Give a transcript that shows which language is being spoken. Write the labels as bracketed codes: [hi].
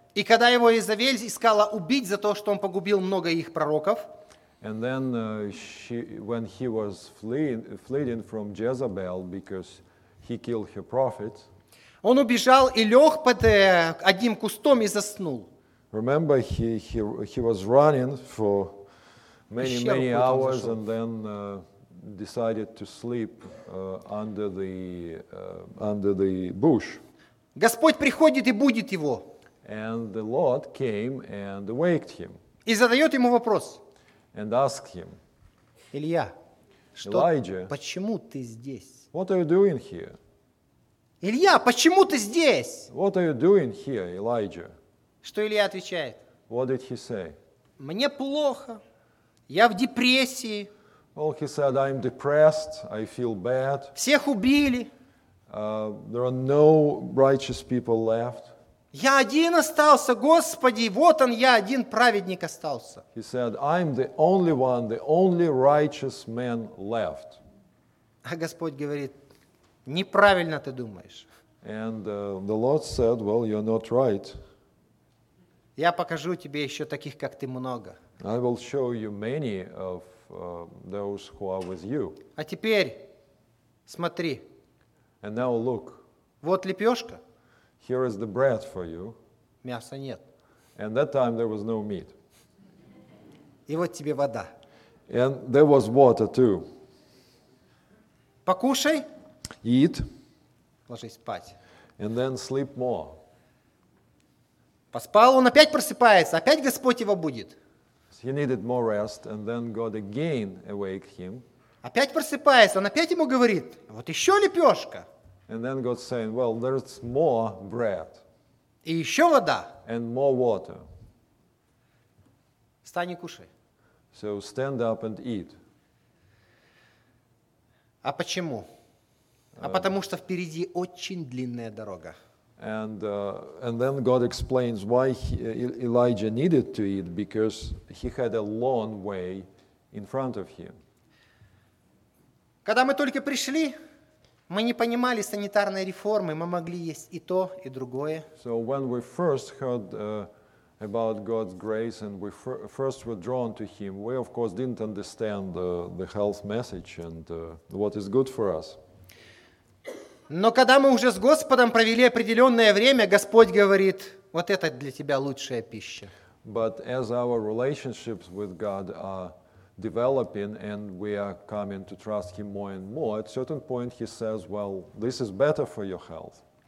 [ru] и когда его Иезавель искала убить за то, что он погубил много их пророков, [en] and then when he was fleeing from Jezebel because he killed her prophets, [ru] он убежал и лег под одним кустом и заснул. [en] Remember, he was running for many hours and then decided to sleep under the bush. [ru] Господь приходит и будет его. [en] And the Lord came and awaked him. [ru] И задает ему вопрос. [en] And asked him. [ru] Илья, [en] Elijah, [ru] почему ты здесь? [en] What are you doing here? [ru] Илья, почему ты здесь? [en] What are you doing here, Elijah? [ru] Что Илья отвечает? [en] What did he say? [ru] Мне плохо. Я в депрессии. [en] Well, he said, I'm depressed. I feel bad. [ru] Всех убили. [en] There are no righteous people left. [ru] Я один остался, Господи. Вот он, я один праведник остался. [en] He said, I'm the only one, the only righteous man left. [ru] А Господь говорит, неправильно ты думаешь. [en] And the Lord said, well, you're not right. [ru] Я покажу тебе еще таких, как ты, много. [en] I will show you many of those who are with you. [ru] А теперь смотри. [en] And now look. [ru] Вот лепешка. [en] Here is the bread for you. [ru] Мяса нет. [en] And that time there was no meat. [ru] И вот тебе вода. [en] And there was water too. [ru] Покушай. [en] Eat. [ru] Ложись спать. [en] And then sleep more. [ru] Поспал, он опять просыпается, опять Господь его будет. [en] He needed more rest, and then God again awake him. [ru] Опять просыпается, он опять ему говорит, вот еще лепешка. [en] And then God saying, well, there's more bread. [ru] И еще вода. [en] And more water. [ru] Встань и кушай. [en] So stand up and eat. [ru] А почему? А потому что впереди очень длинная дорога. [en] And then God explains why Elijah needed to eat, because he had a long way in front of him. [ru] Когда мы только пришли, мы не понимали санитарной реформы, мы могли есть и то, и другое. [en] So when we first heard about God's grace and we first were drawn to him, we of course didn't understand the health message and what is good for us. [ru] Но когда мы уже с Господом провели определенное время, Господь говорит, вот это для тебя лучшая пища. [en] But as our relationships with God are developing and we are coming to trust him more and more, at certain point he says, well, this is better for your health.